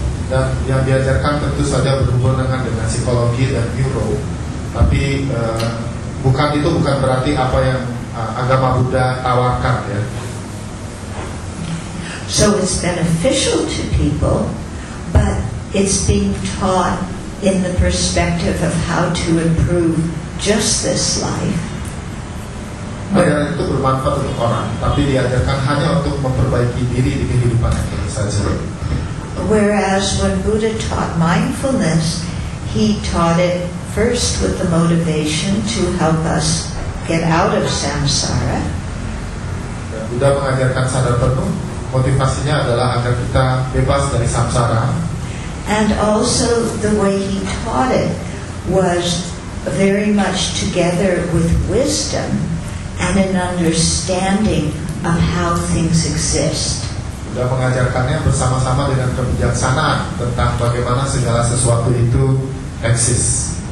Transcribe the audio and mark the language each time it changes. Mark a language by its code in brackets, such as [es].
[id] dan yang diajarkan tentu saja berhubungan dengan psikologi dan neuro, tapi bukan berarti apa yang agama Buddha tawarkan ya. [en] So it's beneficial to people, but it's being taught in the perspective of how to improve just this life. [id] Ajaran itu bermanfaat untuk orang, tapi diajarkan hanya untuk memperbaiki diri di kehidupan ini saja. [en] Whereas when Buddha taught mindfulness, he taught it first with the motivation to help us get out of samsara. [id] Buddha mengajarkan sadar penuh, motivasinya adalah agar kita bebas dari samsara. [en] And also the way he taught it was very much together with wisdom and an understanding of how things exist. [id] Buddha mengajarkannya bersama-sama dengan kebijaksanaan tentang bagaimana segala sesuatu itu eksis.